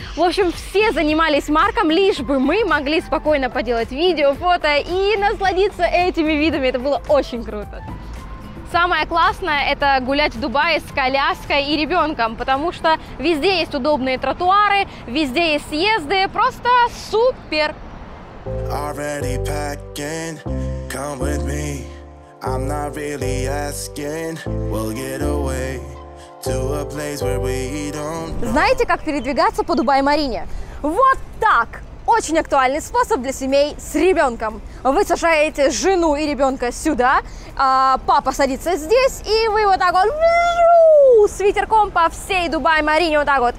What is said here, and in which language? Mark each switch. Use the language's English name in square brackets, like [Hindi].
[Russian] В общем, все занимались Марком, лишь бы мы могли спокойно поделать видео, фото и насладиться этими видами. Это было очень круто. Самое классное – это гулять в Дубае с коляской и ребенком, потому что везде есть удобные тротуары, везде есть съезды. Просто супер! [English] Already packing, come with me. I'm not really asking, we'll get away to a place where we don't know. [Russian] Знаете, как передвигаться по Дубай-Марине? Вот так! Очень актуальный способ для семей с ребенком. Вы сажаете жену и ребенка сюда, а папа садится здесь, и вы вот так вот с ветерком по всей Дубай-Марине вот так вот.